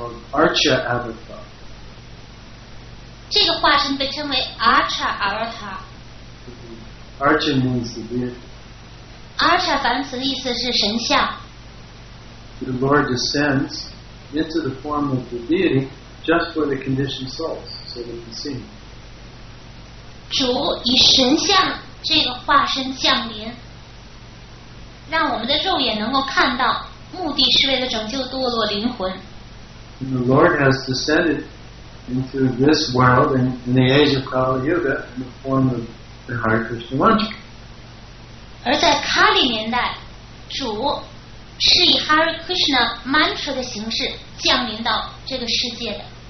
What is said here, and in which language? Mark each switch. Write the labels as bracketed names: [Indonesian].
[Sanskrit] Archa Avatar. Archa [English] means the deity. [Chinese] Archa 反词的意思是神像。 [English] The Lord descends into the form of the deity just for the conditioned souls, so they can see. [Chinese] 主以神像这个化身降临，让我们的肉眼能够看到，目的是为了拯救堕落灵魂。 [English] And the Lord has descended into this world and in the age of Kali Yuga in the form of the Hare Krishna Mantra. [Chinese] 而在卡里年代，主是以 Hare Krishna Mantra 的形式降临到这个世界的。